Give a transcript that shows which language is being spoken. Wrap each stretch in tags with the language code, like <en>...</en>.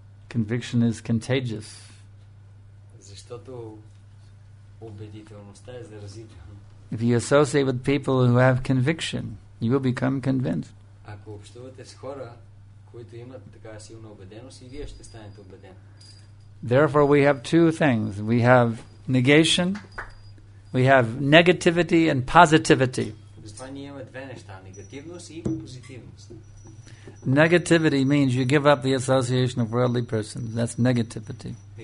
<en>Conviction is contagious.</en> <bg>Защото убедителността е заразителна.</bg> <en>If you associate with people who have conviction, you will become convinced.</en> <bg>Ако общувате с хора, които имат такава силна убеденост, и вие ще станете убеден.</bg> <en>Therefore, we have two things. We have negation, we have negativity and positivity.</en> <bg>Затова ние имаме две неща, негативност и позитивност.</bg> <en>Negativity means you give up the association of worldly persons. That's negativity.</en>